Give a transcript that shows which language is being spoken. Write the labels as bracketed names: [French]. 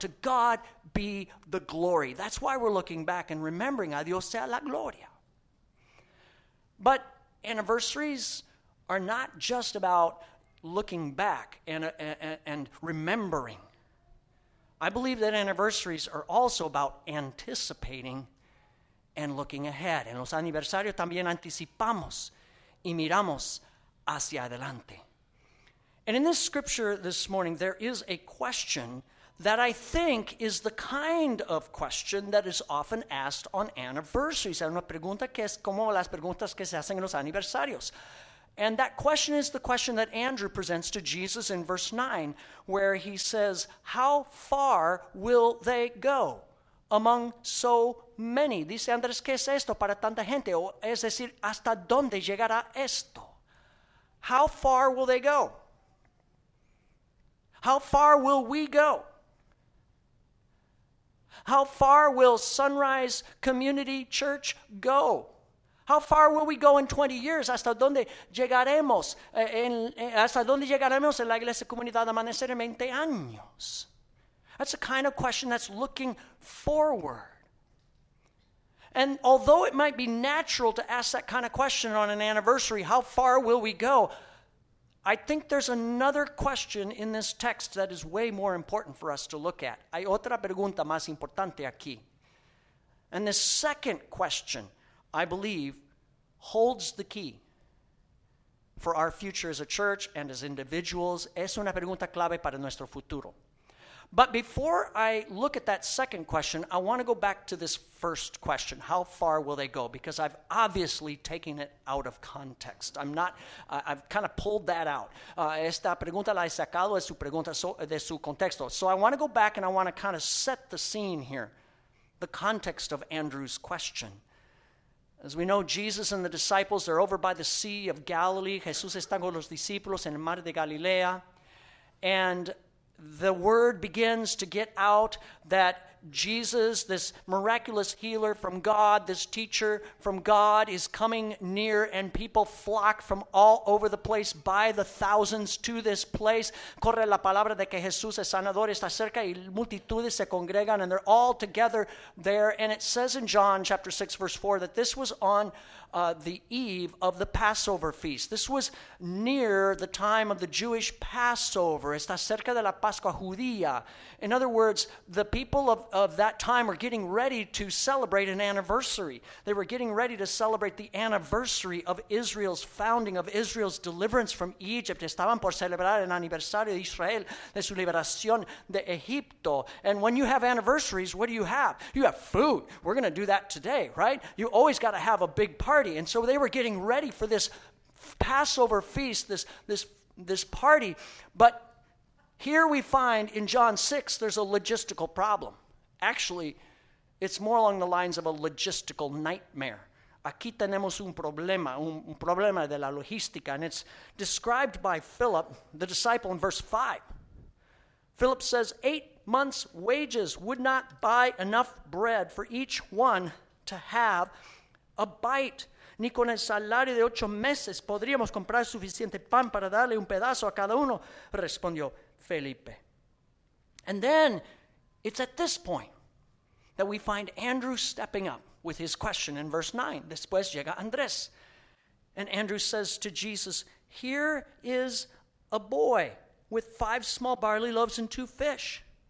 [English] To God be the glory. That's why we're looking back and remembering, [Spanish] a Dios sea la gloria. [English] But anniversaries are not just about looking back and remembering. I believe that anniversaries are also about anticipating and looking ahead. [Spanish] En los aniversarios también anticipamos y miramos hacia adelante. [English] And in this scripture this morning, there is a question that I think is the kind of question that is often asked on anniversaries. [Spanish] Es una pregunta que es como las preguntas que se hacen en los aniversarios. [English] And that question is the question that Andrew presents to Jesus in verse 9, where he says, how far will they go among so many? [Spanish] Dice Andrés, ¿qué es esto para tanta gente? O es decir, ¿hasta dónde llegará esto? [English] How far will they go? How far will we go? How far will Sunrise Community Church go? How far will we go in 20 years? [Spanish] ¿Hasta dónde llegaremos? ¿Hasta dónde llegaremos en la Iglesia Comunidad Amanecer en 20 años? [English] That's the kind of question that's looking forward. And although it might be natural to ask that kind of question on an anniversary, how far will we go? I think there's another question in this text that is way more important for us to look at. [Spanish] Hay otra pregunta más importante aquí. [English] And the second question, I believe, holds the key for our future as a church and as individuals. [Spanish] Es una pregunta clave para nuestro futuro. [English] But before I look at that second question, I want to go back to this first question. How far will they go? Because I've obviously taken it out of context. I've kind of pulled that out. [Spanish] Esta pregunta la he sacado de su pregunta, de su contexto. [English] So I want to go back and I want to kind of set the scene here, the context of Andrew's question. As we know, Jesus and the disciples are over by the Sea of Galilee. [Spanish] Jesús está con los discípulos en el mar de Galilea. [English] And the word begins to get out that Jesus, this miraculous healer from God, this teacher from God, is coming near, and people flock from all over the place by the thousands to this place. [Spanish] Corre la palabra de que Jesús es sanador, está cerca, y multitudes se congregan, [English] and they're all together there. And it says in John chapter 6, verse 4, that this was on the eve of the Passover feast. This was near the time of the Jewish Passover. [Spanish] Está cerca de la Pascua Judía. [English] In other words, the people of that time were getting ready to celebrate an anniversary. They were getting ready to celebrate the anniversary of Israel's founding, of Israel's deliverance from Egypt. [Spanish] Estaban por celebrar el aniversario de Israel, de su liberación de Egipto. [English] And when you have anniversaries, what do you have? You have food. We're going to do that today, right? You always got to have a big party. And so they were getting ready for this Passover feast, this party. But here we find in John 6, there's a logistical problem. Actually, it's more along the lines of a logistical nightmare. [Spanish] Aquí tenemos un problema de la logística, [English] and it's described by Philip, the disciple, in verse 5. Philip says, 8 months' wages would not buy enough bread for each one to have a bite. [Spanish] Ni con el salario de 8 meses podríamos comprar suficiente pan para darle un pedazo a cada uno, respondió Felipe. [English] And then it's at this point that we find Andrew stepping up with his question in verse 9. [Spanish] Después llega Andrés. [English] And Andrew says to Jesus, here is a boy with 5 small barley loaves and 2 fish.